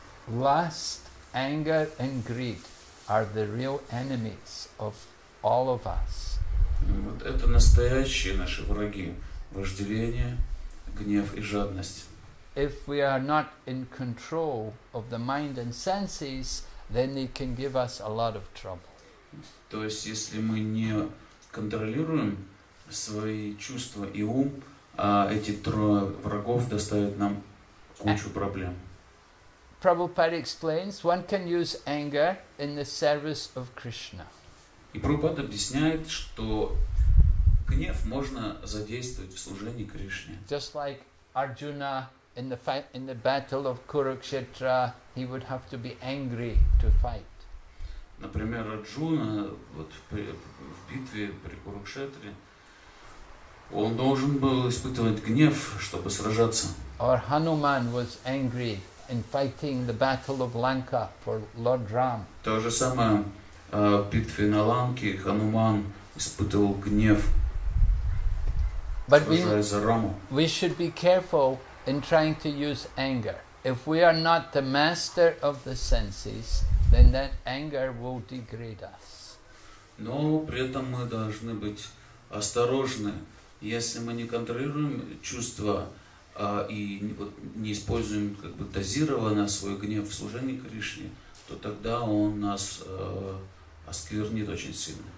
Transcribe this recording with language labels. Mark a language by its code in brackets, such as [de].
[en] Lust, anger and greed are the real enemies of all of us. [ru] Вот это настоящие наши враги – вожделение, гнев и жадность. [en] If we are not in control of the mind and senses, then they can give us a lot of trouble. [ru] То есть, если мы не контролируем свои чувства и ум, а эти трое врагов доставят нам кучу проблем. [en] Prabhupada explains, one can use anger in the service of Krishna. [ru] И Прабхупада объясняет, что гнев можно задействовать в служении Кришне. [en] Just like Arjuna in the battle of Kurukshetra, he would have to be angry to fight. [ru] Например, Арджуна вот в битве при Курукшетре, Он должен был испытывать гнев, чтобы сражаться. [en] Or Hanuman was angry in fighting the battle of Lanka for Lord Ram. [ru] То же самое в битве на Ланке Хануман испытывал гнев. [en] But we should be careful in trying to use anger. If we are not the master of the senses, then that anger will degrade us. [ru] Но при этом мы должны быть осторожны. Если мы не контролируем чувства и не используем как бы дозированно свой гнев в служении Кришне, то тогда он нас осквернит очень сильно.